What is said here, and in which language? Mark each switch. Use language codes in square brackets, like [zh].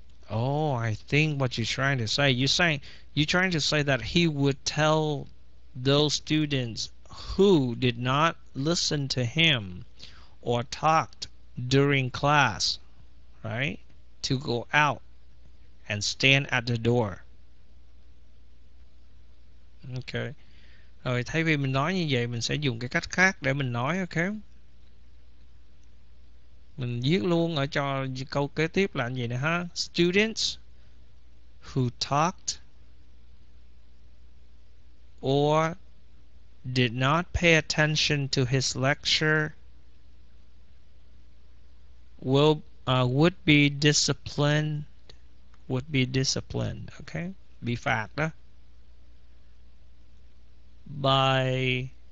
[en] Oh, I think what you're trying to say, you're trying to say that he would tell those students who did not listen to him or talked during class, right, to go out and stand at the door. Okay. [vi] Rồi thay vì mình nói như vậy, mình sẽ dùng cái cách khác để mình nói, okay? Mình viết luôn ở cho câu kế tiếp là như vậy này ha. [en] Students who talked or did not pay attention to his lecture would be disciplined, okay, be fact by